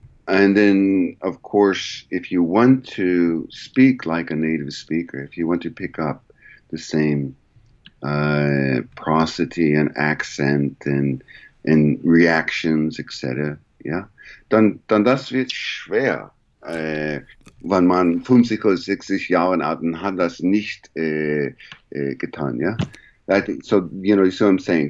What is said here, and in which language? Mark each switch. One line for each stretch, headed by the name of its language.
English: And then, of course, if you want to speak like a native speaker, if you want to pick up the same prosody and accent and reactions, etc.
German: Ja, dann das wird schwer. Wenn man 50 oder 60 Jahre alt ist, hat das nicht getan.
English: Ja, I think, so you see what I'm saying.